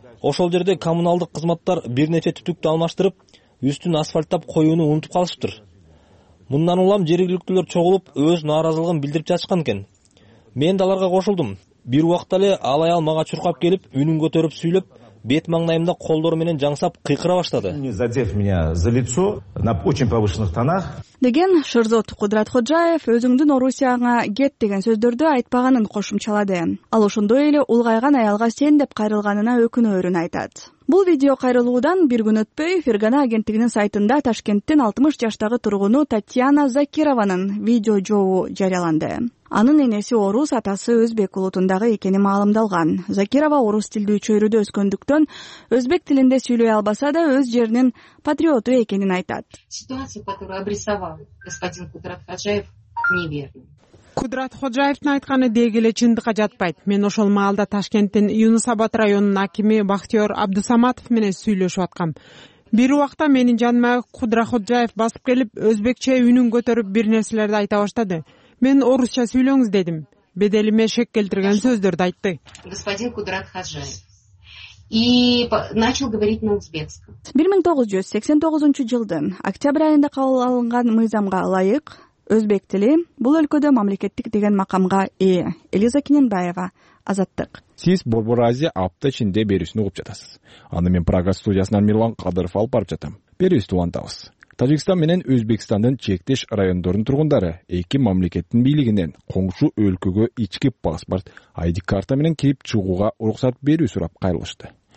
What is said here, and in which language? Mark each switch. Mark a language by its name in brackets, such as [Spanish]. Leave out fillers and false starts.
[Kyrgyz] Ошол жерде коммуналдык кызматтар бир нече түтүктү алмаштырып, үстүн асфальттап коюуну унутуп калышыптыр. Мындан улам жергиликтүүлөр чогулуп, өз нааразылыгын билдирип жатышкан экен. Мен да аларга кошулдум. Бир убакта эле ал аял мага чуркап келип, үнүн көтөрүп сүйлөп, бет маңдайымда колдору менен жаңсап кыйкыра баштады. [Russian] Задев меня за лицо на очень повышенных тонах. [Kyrgyz] Деген Шерзот Кудуратходжоев өзүңдүн Орусияңа кет деген сөздөрдү айтпаганын кошумчалады. Ал ошондой эле улгайган аялга сен деп кайрылганына өкүнөөрүн айтат. Бул видео кайрылуудан бир күн өтпөй Фергана агенттигинин сайтында Ташкенттин 60 жаштагы тургуну Татьяна Закированын видео жообу жарыяланды. Анын энеси орус, атасы өзбек улутундагы экени маалымдалган. Закирова орус тилдүү чөйрөдө өскөндүктөн өзбек тилинде сүйлөй албаса да өз жеринин патриоту экенин айтат. [Russian] Ситуация, которую обрисовал господин Кудрат Ходжаев, неверна. [Kyrgyz] Кудрат Ходжаевдин айтканы деги эле чындыкка жатпайт. Мен ошол маалда Ташкенттин Юнусабад районунун акими Бахтиёр Абдысаматов менен сүйлөшүп аткам. Бир убакта менин жаныма Кудрат Ходжаев басып келип, өзбекче үнүн көтөрүп бир нерселерди айта баштады. Мен орусча сүйлөңүз дедим. Беделиме шек келтирген сөздөрдү айтты. [Russian] Господин Кудрат Ходжаев. И начал говорить на узбекском. [Kyrgyz] 1989 жылдын октябрь айында кабыл алынган мыйзамга ылайык өзбек тили бул өлкөдө мамлекеттик деген макамга ээ. Элиза Кененбаева, Азаттык. Сиз Борбор Азия апта ичинде берүүсүн угуп жатасыз. Аны мен Прогресс студиясынан Мирлан Кадыров алып барып жатам. Берүүсү улантабыз. Тажикстан менен Өзбекстандын чектеш райондорунун тургундары эки мамлекеттин бийлигинен коңшу өлкөгө ички паспорт, ID карта менен кирип чыгууга уруксат берүү сурап кайрылышты.